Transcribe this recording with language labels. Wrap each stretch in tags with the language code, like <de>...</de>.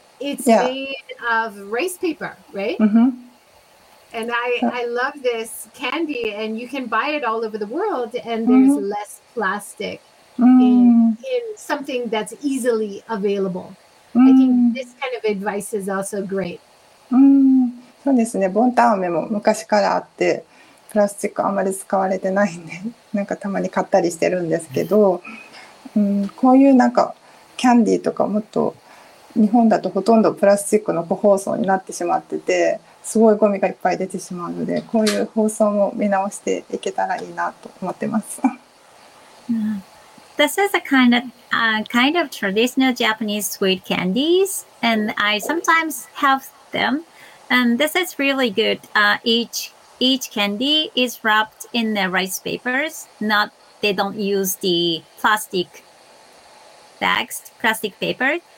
<en>It's made of rice paper, right? And I love this candy, and you can buy it all over the world, and there's less plastic in something that's easily available. I think this kind of advice is also great.</en> <ja>そうですね。ボンタン飴も昔からあって、プラスチックあまり使われてないんで、なんかたまに買ったりしてるんですけど、こういうなんかキャンディーとかもっと日本だとほとんどプラスチックの個包装になってしまってて、すごいゴミがいっぱい出てしまうので、こういう包装も見直していけたらいいなと思ってます。</ja> <en>This is a kind of traditional Japanese sweet candies, and I sometimes have them. And this is really good. Each candy is wrapped in the rice papers. Not they don't use the plastic bags, plastic paper.</en>